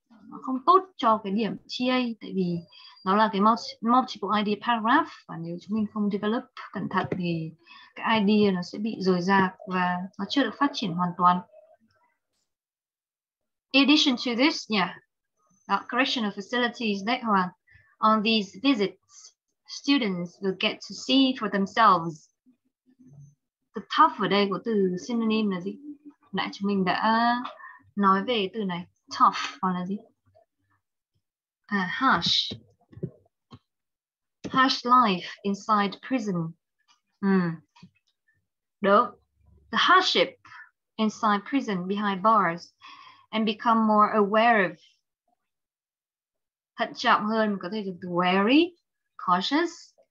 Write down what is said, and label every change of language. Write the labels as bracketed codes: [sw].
[vi] nó không tốt cho cái điểm GIẢI, tại vì nó là cái multiple idea paragraph, và nếu chúng mình không develop cẩn thận thì cái idea nó sẽ bị rời rạc và nó chưa được phát triển hoàn toàn. [en] In addition to this, yeah, correctional facilities that Hoàng, on these visits, students will get to see for themselves. [vi] The tough ở đây của từ synonym là gì? Nãy chúng mình đã nói về từ này. Tough còn là gì? Harsh. [en] Harsh life inside prison. [vi] Đúng. [en] The hardship inside prison behind bars and become more aware of. [vi] Thận trọng hơn có thể được từ wary, cautious.